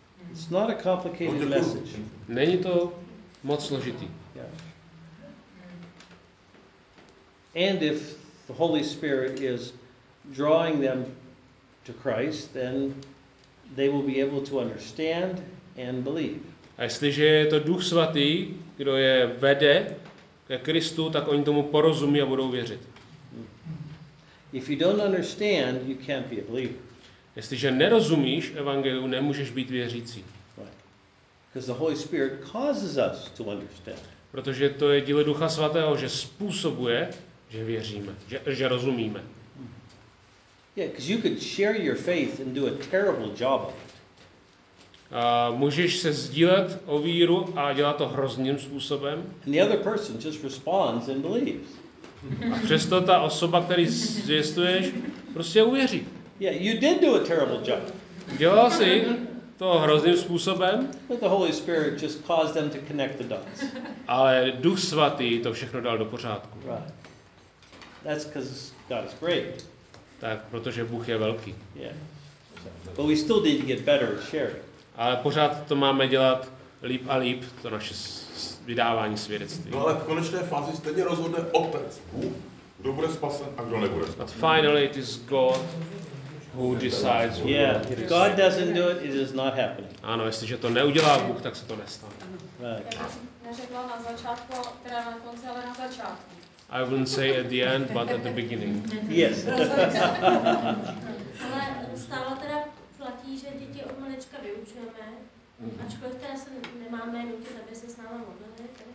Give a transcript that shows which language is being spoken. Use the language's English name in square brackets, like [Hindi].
[English] It's not a complicated message. [Czech] Není to moc složitý. [English] Yeah. And if the Holy Spirit is drawing them to Christ, then they will be able to understand and believe. [Czech] A jestliže je to Duch svatý, kdo je vede ke Kristu, tak oni tomu porozumí a budou věřit. [English] If you don't understand, you can't be a believer. [Czech] Jestliže nerozumíš evangeliu, nemůžeš být věřící. [English] Because the Holy Spirit causes us to understand. [Czech] Protože to je dílo Ducha svatého, že způsobuje, že věříme, že rozumíme. [English] Yeah, because you could share your faith and do a terrible job of it. [Czech] Můžeš se sdílet o víru a dělat to hrozným způsobem. [English] And the other person just responds and believes. [Czech] A přesto ta osoba, který zvěstuješ, prostě uvěří. [English] Yeah, you did do a terrible job. [Czech] Dělal jsi to hrozným způsobem. [English] But the Holy Spirit just caused them to connect the dots. [Czech] Ale Duch svatý to všechno dal do pořádku. [English] Right. That's because God is great. [Czech] Tak, protože Bůh je velký. [English] Yeah. But we still need to get better at sharing. Ale pořád to máme dělat líp a líp, to naše vydávání svědectví. [Czech] No ale v konečné fázi stejně rozhodne Otec, kdo bude spasen a kdo nebude spasen. [English] But finally it is God who decides. Yeah, if God doesn't do it, it is not happening. [Czech] Ano, jestliže to neudělá Bůh, tak se to nestane. [English] Right. [Czech] Já jsem neřekla na začátku, teda na konci, ale na začátku. [English] I wouldn't say at the end, but at the beginning. Yes. [Czech] Ale stále teda platí, že děti od malička vyučujeme, ačkoliv teda se nemáme nutit, aby se s náma modlili.